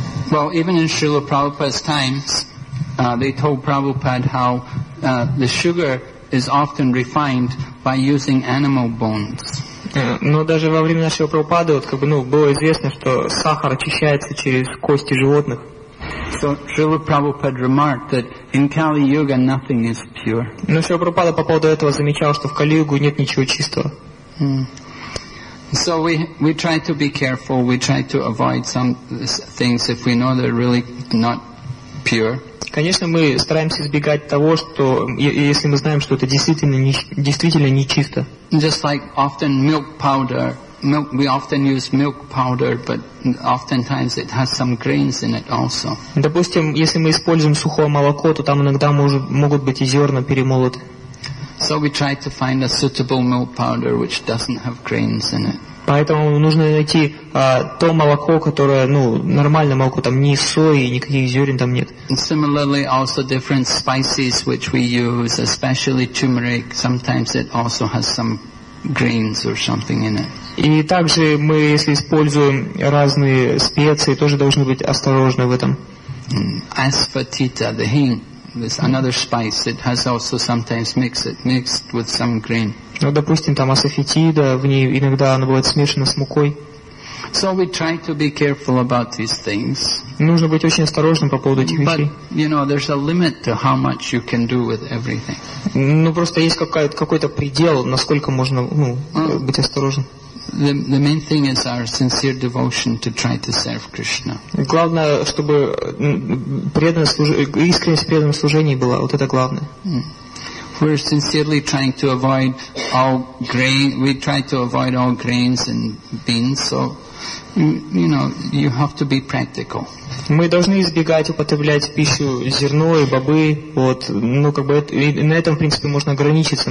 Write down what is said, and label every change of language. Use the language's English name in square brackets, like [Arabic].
[English] Well, even in Srila Prabhupada's times, they told Prabhupada how the sugar is often refined by using animal bones. [Russian] Но даже во время нашего Прабхупады было известно, что сахар очищается через кости животных. [English] So Srila Prabhupada remarked that in Kali Yuga nothing is pure. [Russian] Но Srila Prabhupada по поводу этого замечал, что в Кали-Югу нет ничего чистого. [English] So we try to be careful, we try to avoid some things if we know they're really not pure. [Russian] Конечно, мы стараемся избегать того, что если мы знаем, что это действительно нечисто. [English] Just like often milk powder, we often use milk powder, but oftentimes it has some grains in it also. [Russian] Допустим, если мы используем сухое молоко, то там иногда могут быть и зерна перемолоты. [English] So we try to find a suitable milk powder which doesn't have grains in it. [Russian] Поэтому нужно найти то молоко, которое, нормальное молоко, там ни сои, никаких зерен там нет. [English] Similarly, also different spices which we use, especially turmeric, sometimes it also has some grains or something in it. [Russian] И также мы, если используем разные специи, тоже должны быть осторожны в этом. [English] Asafoetida, the hing. There's another spice. It has also sometimes mixed with some grain. [Russian] Ну, допустим, там асафетида, в ней иногда она бывает смешана с мукой. [English] So we try to be careful about these things. [Russian] Нужно быть очень осторожным по поводу этих вещей. [English] But, you know, there's a limit to how much you can do with everything. [Russian] Ну, просто есть какой-то предел, насколько можно, быть осторожным. [English] The main thing is our sincere devotion to try to serve Krishna. [Russian] Главное, чтобы искренность в преданном служении была, вот это главное. [English] We're sincerely trying to avoid all grain. We try to avoid all grains and beans. So, you have to be practical. [Russian] Мы должны избегать употреблять пищу зерно и бобы. Вот, и на этом, в принципе, можно ограничиться.